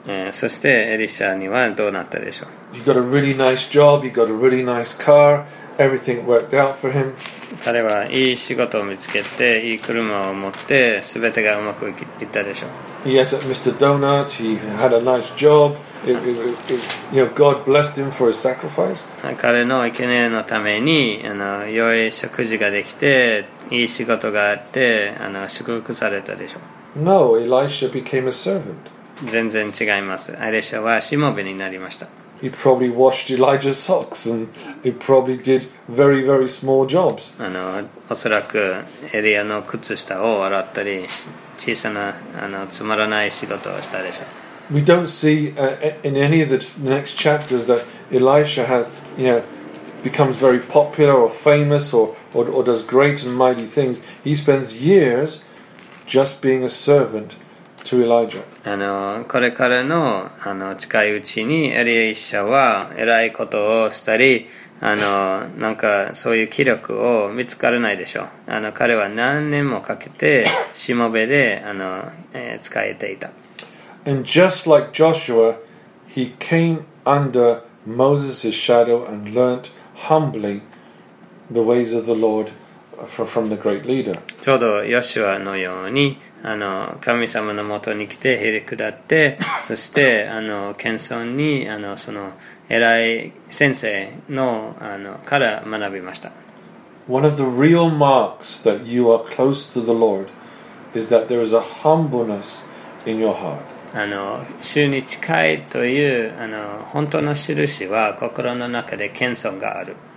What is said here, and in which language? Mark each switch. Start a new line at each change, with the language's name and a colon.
Japanese: そしてエリシャにはどうなったでしょう。
English: He got a really nice job, he got a really nice car, everything worked out for him.
Japanese: 彼はいい仕事を見つけて、いい車を持って、すべてがうまくいったでしょう。
English: He ate at Mr. Donut, he had a nice job, God blessed him for his sacrifice.
Japanese: 彼の生贄のために良い食事ができて、いい仕事があって祝福されたでしょう。
English: No, Elisha became a servant.
Japanese: 全然違います。エリシャはしもべになりました。
English: He probably washed Elijah's socks and he probably did very, very small jobs.
Japanese: あの、おそらくエリアの靴下を洗ったり、小さな、あの、つまらない仕事をしたでしょう。
English: We don't see、in any of the next chapters that Elisha has, you know, becomes very popular or famous or does great and mighty things. He spends years just being a servant. To Elijah.
Japanese: あのこれから の, あの近いうちにエリシャは偉いことをしたり、あのなんかそういう気力を見つからないでしょう。あの彼は何年もかけてしもべで、あの、使えていた。
English: And just like Joshua, he came under Moses' shadow and learnt humbly the ways of the Lord from the great leader.
Japanese: ちょうどヨシュアのように、あの神様のもとに来てへり下って、そしてあの謙遜に、あのその偉い先生 の, あのから学びました。
English: One of the real marks that you are close to the Lord is that there is a humbleness in your heart.
Japanese: あの主に近いという、あの本当の印は心の中で謙遜がある。